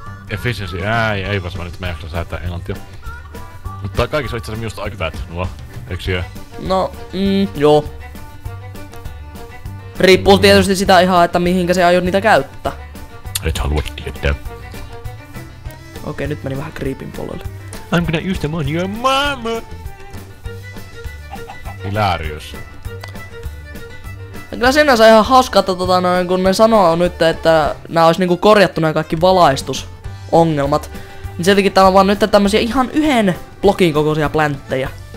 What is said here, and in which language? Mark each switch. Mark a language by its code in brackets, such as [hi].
[fi] Efficiency, ei vaan se mä nyt en jaksa säätää englantia. Mutta kaikissa on itseasiassa minusta aika hyvät nuo, eiks jää? No, joo. Riippuu tietysti sitä ihan, että mihinkä se aiot niitä käyttää. Et halua tietää. Okei, nyt meni vähän creepin polulle. [en] I'm gonna use them on your mama! Hilarious. [fi] Kyllä sinänsä ihan hauska, että kun ne sanoo nyt, että nää olis niinku korjattu nää kaikki valaistusongelmat. Niin sieltäkin täällä on vaan nyt tämmösiä ihan yhden blokin kokoisia plänttejä.